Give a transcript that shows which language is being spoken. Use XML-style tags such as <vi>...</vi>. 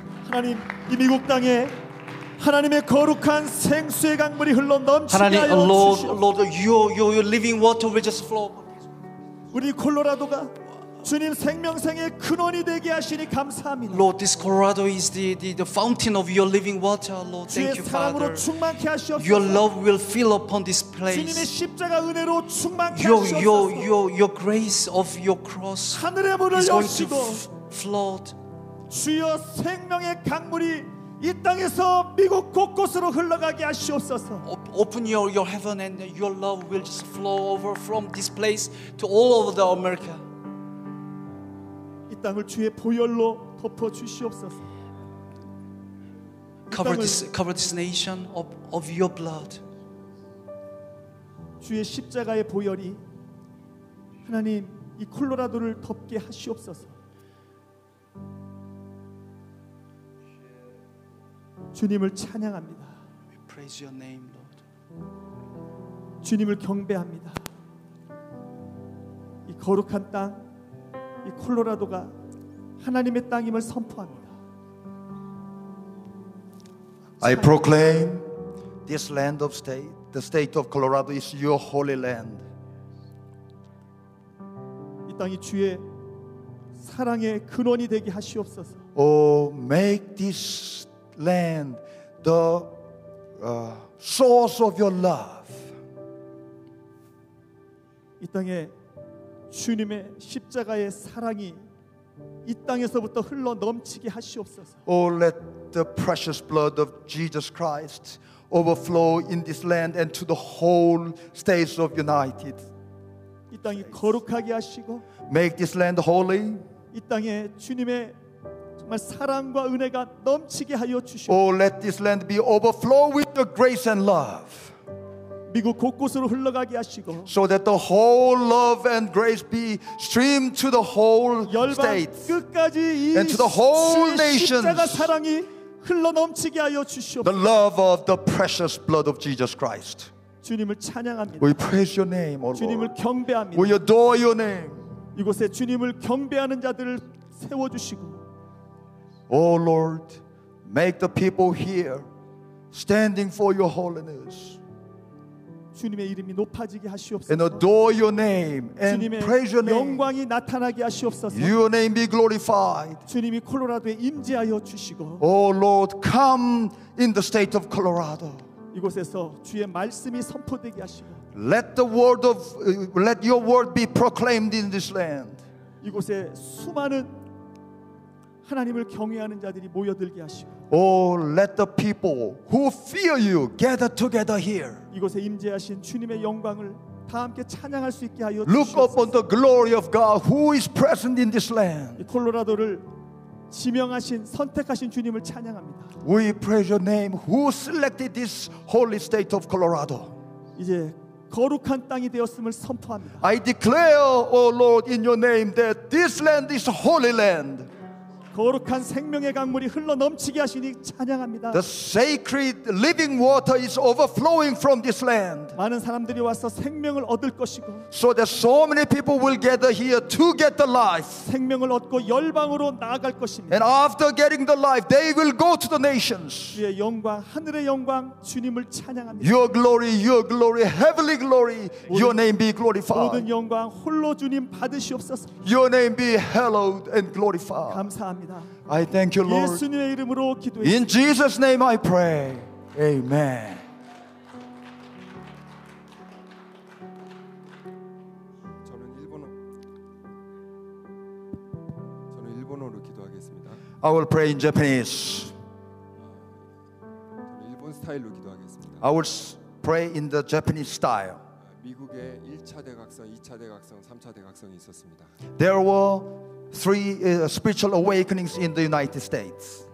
<ko>하나님, 이 미국 땅에 하나님의 거룩한 생수의 강물이 흘러 넘치게 하여 주시옵소서.</ko> <en>Lord, your living water will just flow.</en> <ko>우리 콜로라도가 주님 생명생의 근원이 되게 하시니 감사합니다.</ko> <en>Lord, this Colorado is the fountain of your living water. Lord, thank you, Father.</en> <ko>주의 사랑으로 충만케 하시옵소서.</ko> <en>Your love will fill upon this place.</en> <ko>주님의 십자가 은혜로 충만케 하시옵소서.</ko> <en>Your grace of your cross.</en> <ko>하늘의 문을 여시고</ko> <en>flood.</en> <ko>주여, 생명의 강물이 이 땅에서 미국 곳곳으로 흘러가게 하시옵소서.</ko> <en>Open your heaven and your love will just flow over from this place to all over the America.</en> <ko>이 땅을 주의 보혈로 덮어 주시옵소서.</ko> <en>Cover this nation of your blood.</en> <ko>주의 십자가의 보혈이 하나님 이 콜로라도를 덮게 하시옵소서. 주님을 찬양합니다.</ko> <en>We praise your name, Lord.</en> <ko>주님을 경배합니다. 이 거룩한 땅, 이 콜로라도가 하나님의 땅임을 선포합니다.</ko> <en>I proclaim this land of state, the state of Colorado is your holy land.</en> <ko>이 땅이 주의 사랑의 근원이 되게 하시옵소서.</ko> <en>Oh, make this land the source of your love.</en> <ko>이 땅에 주님의 십자가의 사랑이 이 땅에서부터 흘러 넘치게 하시옵소서.</ko> <en>Oh, let the precious blood of Jesus Christ overflow in this land and to the whole states of United.</en> <ko>이 땅이 거룩하게 하시고</ko> <en>make this land holy.</en> <ko>이 땅에 주님의 정말 사랑과 은혜가 넘치게 하여 주시옵소서.</ko> <en>Oh, let this land be overflow with the grace and love.</en> <ko>미국 곳곳으로 흘러가게 하시고</ko> <en>so that the whole love and grace be streamed to the whole state.</en> <ko>열방 끝까지 이</ko> <en>and to the whole nations.</en> <ko>십자가 사랑이 흘러 넘치게 하여 주시옵소서.</ko> <en>The love of the precious blood of Jesus Christ.</en> <ko>주님을 찬양합니다.</ko> <en>We praise your name, O Lord.</en> <ko>주님을 경배합니다.</ko> <en>We adore your name.</en> <ko>이곳에 주님을 경배하는 자들을 세워 주시고</ko> <en>Oh Lord, make the people here standing for your holiness.</en> <ko>주님의 이름이 높아지게 하시옵소서.</ko> <en>And adore your name and praise your name.</en> <ko>영광이 나타나게 하시옵소서.</ko> <en>Your name be glorified.</en> <ko>주님이 콜로라도에 임재하여 주시고.</ko> <en>Oh Lord, come in the state of Colorado.</en> <ko>이곳에서 주의 말씀이 선포되게 하시고.</ko> <en>Let the word of let your word be proclaimed in this land.</en> <ko>이곳에 수많은 하나님을 경외하는 자들이 모여들게 하시고.</ko> <en>Oh, let the people who fear you gather together here.</en> <ko>이곳에 임재하신 주님의 영광을 다 함께 찬양할 수 있게 하여 주시옵소서.</ko> <en>Look upon the glory of God who is present in this land.</en> <ko>이 콜로라도를 지명하신 선택하신 주님을 찬양합니다.</ko> <en>We praise your name who selected this holy state of Colorado.</en> <ko>이제 거룩한 땅이 되었음을 선포합니다.</ko> <en>I declare, oh Lord, in your name that this land is a holy land.</en> <ko>거룩한 생명의 강물이 흘러 넘치게 하시니 찬양합니다.</ko> <en>The sacred living water is overflowing from this land.</en> <ko>많은 사람들이 와서 생명을 얻을 것이고.</ko> <en>So that so many people will gather here to get the life.</en> <ko>생명을 얻고 열방으로 나아갈 것입니다.</ko> <en>And after getting the life, they will go to the nations.</en> <ko>주의 영광, 하늘의 영광, 주님을 찬양합니다.</ko> <en>Your glory, heavenly glory, your name be glorified.</en> <ko>모든 영광 홀로 주님 받으시옵소서.</ko> <en>Your name be hallowed and glorified.</en> <ko>감사합니다.</ko> <en>I thank you, Lord.</en> <ko>예수님의 이름으로 기도해.</ko> <en>In Jesus' name, I pray. Amen.</en> <ko>저는 일본어로 기도하겠습니다.</ko> <en>I will pray in Japanese.</en> <ko>저는 일본 스타일로 기도하겠습니다.</ko> <en>I will pray in the Japanese style.</en> <ko>미국에 1차 대각성, 2차 대각성, 3차 대각성이 있었습니다.</ko> <en>There were three spiritual awakenings in the United States.</en>